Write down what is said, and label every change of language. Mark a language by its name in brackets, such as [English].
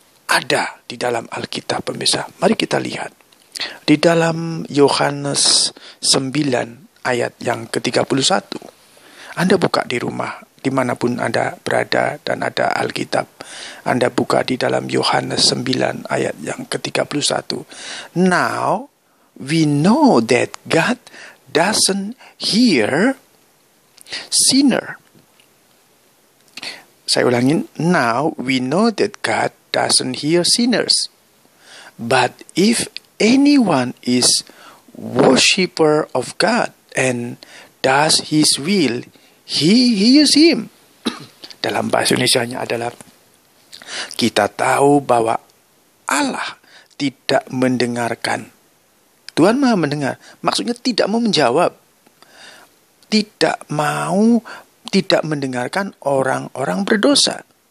[Indonesian] Ada di dalam Alkitab, pemirsa. Mari kita lihat. Di dalam Yohanes 9 ayat yang ke-31. Anda buka di rumah, dimanapun Anda berada dan ada Alkitab. Anda buka di dalam Yohanes 9 ayat yang ke-31. [English] Now, we know that God doesn't hear sinner. [Indonesian] Saya ulangin, [English] now we know that God doesn't hear sinners. But if anyone is worshipper of God and does his will, he hears him. [Indonesian] Dalam bahasa Indonesianya adalah, kita tahu bahwa Allah tidak mendengarkan. Tuhan Maha Mendengar, maksudnya tidak mau menjawab. Tidak mau, tidak mendengarkan orang-orang berdosa.